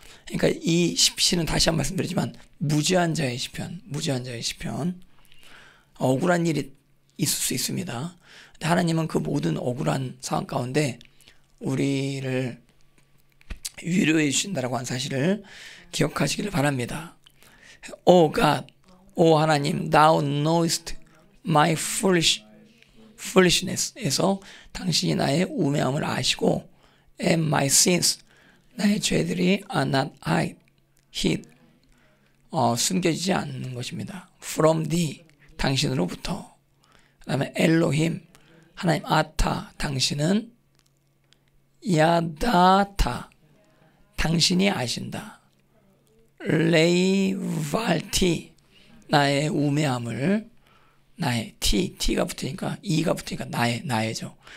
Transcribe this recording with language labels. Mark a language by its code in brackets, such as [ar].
[ko] 그러니까 이 시편은 다시 한번 말씀드리지만 무죄한 자의 시편, 무죄한 자의 시편. 억울한 일이 있을 수 있습니다. 근데 하나님은 그 모든 억울한 상황 가운데 우리를 위로해 주신다라고 한 사실을 기억하시기를 바랍니다. [en] Oh God, Oh [ko] 하나님, [en] Thou knowest my foolishness에서 [ko] 당신이 나의 우매함을 아시고 [en] and my sins [ko] 나의 죄들이 [en] are not hid [ko] 숨겨지지 않는 것입니다. [en] From thee [ko] 당신으로부터 그 다음에 Elohim 하나님 아타 당신은 야다타 당신이 아신다 레이발티 나의 우매함을 나의 T가 붙으니까 E가 붙으니까 나의죠.